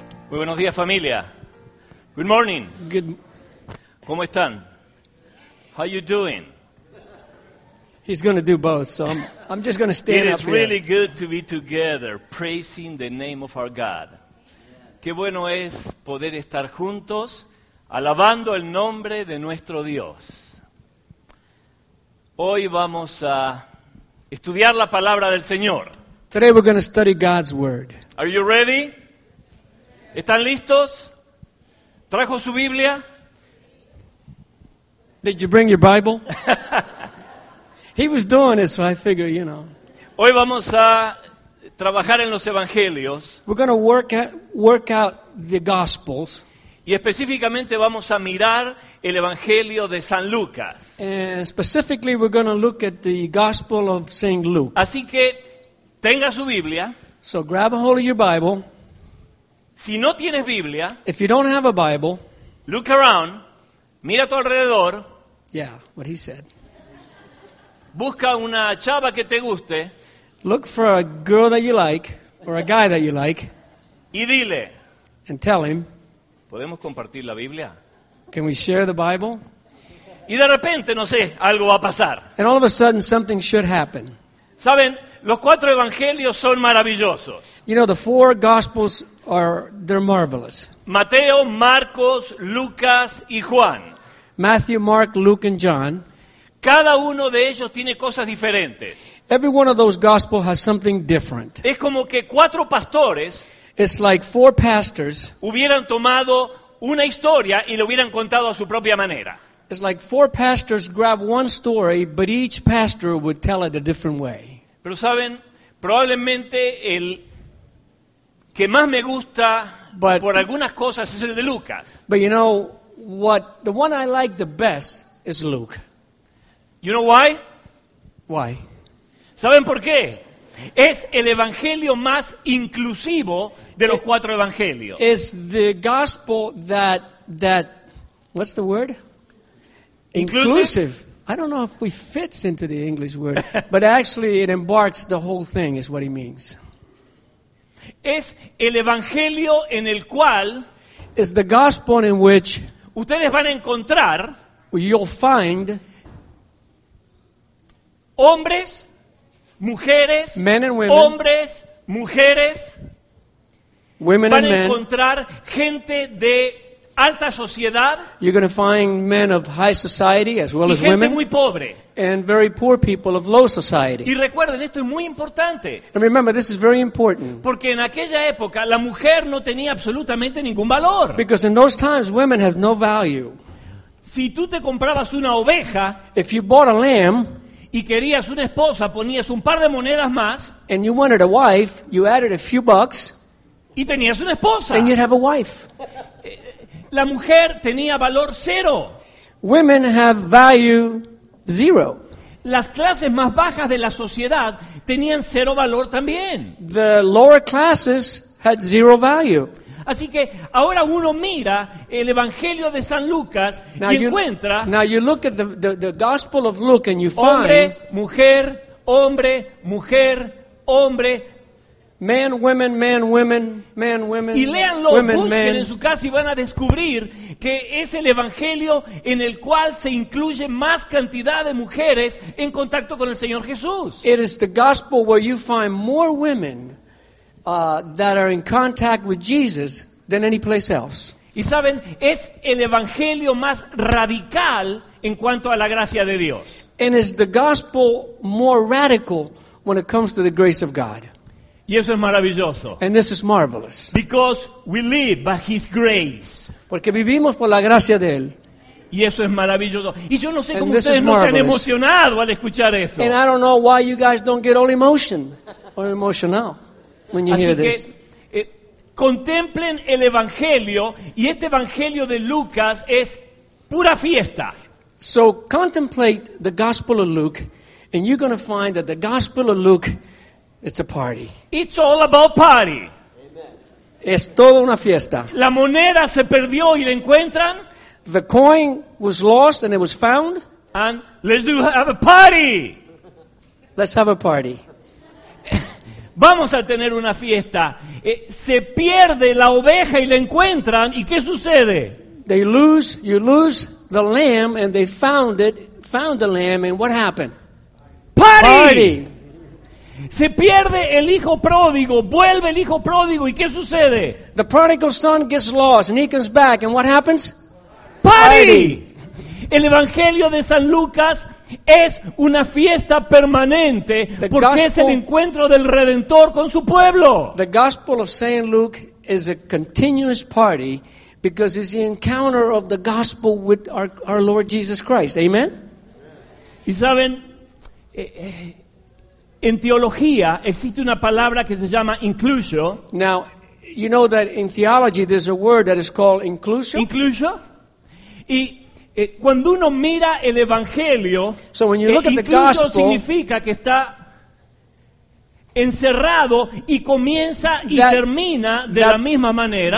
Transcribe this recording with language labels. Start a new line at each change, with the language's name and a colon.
Spanish: Muy buenos días, familia.
English: Good morning. Good.
Spanish: ¿Cómo están?
English: How you doing? He's going to do both, so I'm just going to stand it up. It is really good to be together, praising the name of our God.
Spanish: Qué bueno es poder estar juntos, alabando el nombre de nuestro Dios. Hoy vamos a estudiar la palabra del Señor.
English: Today we're going to study God's word. Are you ready?
Spanish: ¿Están listos? ¿Trajo su Biblia?
English: Did you bring your Bible? He was doing it, so I figure, you know.
Spanish: Hoy vamos a trabajar en los evangelios.
English: We're going to work out the gospels.
Spanish: Y específicamente vamos a mirar el evangelio de San Lucas.
English: And specifically we're going to look at the gospel of St. Luke.
Spanish: Así que tenga su Biblia.
English: So grab a hold of your Bible.
Spanish: Si no tienes Biblia,
English: if you don't have a Bible, look around.
Spanish: Mira a tu alrededor.
English: Yeah, what he said.
Spanish: Busca una chava que te guste.
English: Look for a girl that you like or a guy that you like.
Spanish: Y dile.
English: And tell him.
Spanish: ¿Podemos compartir la Biblia?
English: Can we share the Bible?
Spanish: Y de repente, no sé, algo va a pasar.
English: And all of a sudden something should happen.
Spanish: ¿Saben? Los cuatro evangelios son maravillosos.
English: You know, the four gospels they're marvelous.
Spanish: Mateo, Marcos, Lucas y Juan.
English: Matthew, Mark, Luke and John.
Spanish: Cada uno de ellos tiene cosas diferentes.
English: Every one of those gospels has something different.
Spanish: Es como que cuatro pastores,
English: it's like four pastors,
Spanish: hubieran tomado una historia y lo hubieran contado a su propia manera.
English: It's like four pastors grab one story, but each pastor would tell it a different way.
Spanish: Pero saben, probablemente el que más me gusta por algunas cosas es el de Lucas.
English: But you know what? The one I like the best is Luke. You know why? Why?
Spanish: ¿Saben por qué? Es el evangelio más inclusivo de los cuatro evangelios.
English: It's the gospel that what's the word? Inclusive. I don't know if it fits into the English word, but actually it embarks the whole thing is what he means.
Spanish: Es el evangelio en el cual
English: is the gospel in which
Spanish: ustedes van a encontrar
English: you'll find
Spanish: hombres, mujeres,
English: men and women,
Spanish: hombres, mujeres,
English: women
Spanish: van
English: and men,
Spanish: a encontrar gente de alta sociedad,
English: you're going to find men of high society as well
Spanish: y
English: as
Spanish: gente
English: women,
Spanish: muy pobre,
English: and very poor people of low society.
Spanish: Y recuerden, esto es muy importante.
English: And remember, this is very important.
Spanish: Porque en aquella época, la mujer no tenía absolutamente ningún valor.
English: Because in those times, women have no value.
Spanish: Si tú te comprabas una oveja,
English: if you bought a lamb,
Spanish: y querías una esposa, ponías un par de monedas más,
English: and you wanted a wife, you added a few bucks,
Spanish: y tenías una esposa,
English: and you'd have a wife.
Spanish: La mujer tenía valor cero.
English: Women have value zero.
Spanish: Las clases más bajas de la sociedad tenían cero valor también.
English: The lower classes had zero value.
Spanish: Así que ahora uno mira el Evangelio de San Lucas
English: now
Spanish: y encuentra
English: you look at the Gospel of Luke and you find
Spanish: hombre, mujer, hombre, mujer, hombre,
English: man, women, man, women, man, women.
Spanish: Y léanlo,
English: women,
Spanish: busquen
English: men.
Spanish: En su casa y van a descubrir que es el evangelio en el cual se incluye más cantidad de mujeres en contacto con el Señor Jesús.
English: It is the gospel where you find more women that are in contact with Jesus than any place else.
Spanish: Y saben, es el evangelio más radical en cuanto a la gracia de Dios.
English: And it's the gospel more radical when it comes to the grace of God.
Spanish: Y eso es maravilloso.
English: And this is marvelous. Because we live by his grace.
Spanish: Porque vivimos por la gracia de él. Y eso es maravilloso. Y yo no sé cómo ustedes no se han emocionado al escuchar eso.
English: And I don't know why you guys don't get all emotional when you
Spanish: Así
English: hear
Spanish: que,
English: this.
Spanish: Contemplen el evangelio y este evangelio de Lucas es pura fiesta.
English: So contemplate the Gospel of Luke, and you're going to find that the Gospel of Luke, it's a party. It's all about party.
Spanish: Amen. Es toda una fiesta. La moneda se perdió y la encuentran.
English: The coin was lost and it was found. And let's do have a party. Let's have a party.
Spanish: Vamos a tener una fiesta. Se pierde la oveja y la encuentran. ¿Y qué sucede?
English: They lose, you lose the lamb and they found it, found the lamb. And what happened? Party. Party.
Spanish: Se pierde el hijo pródigo. Vuelve el hijo pródigo. ¿Y qué sucede?
English: The prodigal son gets lost and he comes back. And what happens? Party.
Spanish: El Evangelio de San Lucas es una fiesta permanente porque es el encuentro del Redentor con su pueblo.
English: The Gospel of Saint Luke is a continuous party because it's the encounter of the Gospel with our Lord Jesus Christ. Amen.
Spanish: Y saben, en teología existe una palabra que se llama inclusio.
English: Now, you know that in theology there's a word that is called inclusio.
Spanish: Inclusio. Y cuando uno mira el Evangelio,
English: so when you look at the
Spanish: incluso
English: gospel,
Spanish: significa que está encerrado y comienza y that, termina de that, la misma manera.